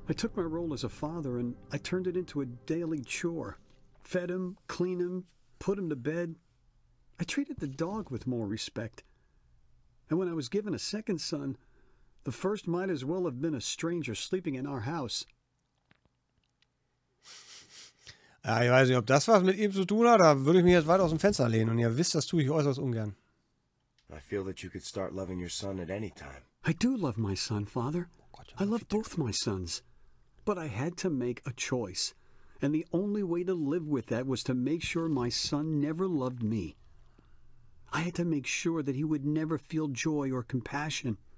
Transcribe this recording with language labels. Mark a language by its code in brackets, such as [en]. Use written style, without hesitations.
[en] I took my role as a father and I turned it into a daily chore. Fed him, cleaned him, put him to bed. I treated the dog with more respect. And when I was given a second son, the first might as well have been a stranger sleeping in our house. [de] Ja, ich weiß nicht, ob das was mit ihm zu tun hat, da würde ich mich jetzt weit aus dem Fenster lehnen. Und ihr wisst, das tue ich äußerst ungern. [en] I feel that you could start loving your son at any time. I do love my son, Father. I love both my sons. But I had to make a choice. And the only way to live with that was to make sure my son never loved me. I had to make sure that he would never feel joy or compassion.